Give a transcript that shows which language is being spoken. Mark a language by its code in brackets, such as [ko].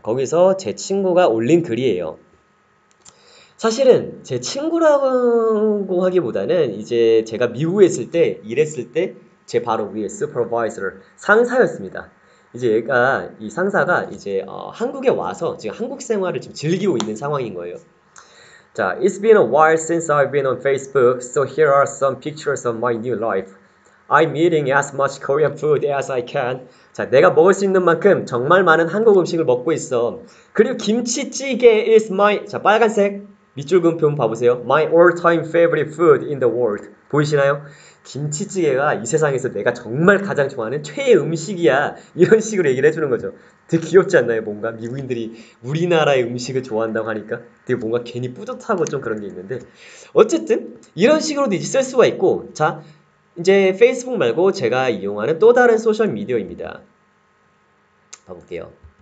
[ko] 거기서 제 친구가 올린 글이에요. 사실은 제 친구라고 하기보다는 이제 제가 미국에 있을 때 일했을 때 제 바로 위에 supervisor 상사였습니다. 이제 얘가 이 상사가 이제 한국에 와서 지금 한국 생활을 지금 즐기고 있는 상황인 거예요. [en] 자, it's been a while since I've been on Facebook, so here are some pictures of my new life. I'm eating as much Korean food as I can. [ko] 자, 내가 먹을 수 있는 만큼 정말 많은 한국 음식을 먹고 있어. 그리고 김치찌개 is my 자, 빨간색 밑줄 그은 표 봐보세요. [en] My all-time favorite food in the world. [ko] 보이시나요? 김치찌개가 이 세상에서 내가 정말 가장 좋아하는 최애 음식이야. 이런 식으로 얘기를 해주는 거죠. 되게 귀엽지 않나요? 뭔가 미국인들이 우리나라의 음식을 좋아한다고 하니까 되게 뭔가 괜히 뿌듯하고 좀 그런 게 있는데, 어쨌든 이런 식으로도 이제 쓸 수가 있고, 자, 이제 페이스북 말고 제가 이용하는 또 다른 소셜 미디어입니다. 봐볼게요.